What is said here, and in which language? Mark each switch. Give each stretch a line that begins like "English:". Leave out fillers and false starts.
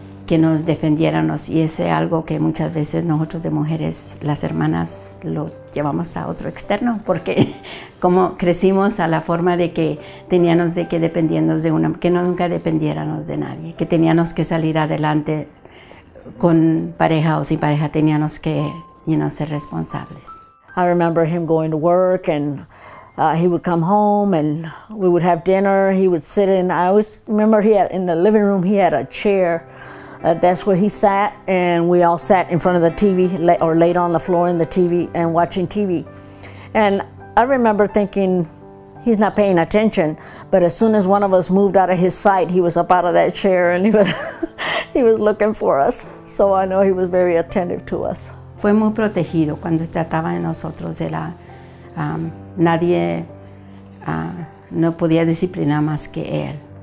Spanish: que nos defendiéramos, y ese algo que muchas veces nosotros de mujeres, las hermanas, lo llevamos a otro externo, porque como crecimos a la forma de que teníamos de que dependiéramos de una, que no nunca dependiéramos de nadie, que teníamos que salir adelante con pareja o sin pareja, teníamos que ser responsables.
English: I remember him going to work and he would come home and we would have dinner. He would sit in. I always remember he had in the living room, he had a chair. That's where he sat, and we all sat in front of the TV or laid on the floor in the TV and watching TV. And I remember thinking, he's not paying attention. But as soon as one of us moved out of his sight, he was up out of that chair and he was he was looking for us. So I know he was very attentive to us.
Spanish: Fue muy protegido cuando se trataba de nosotros. Era, nadie no podía disciplinar más que él.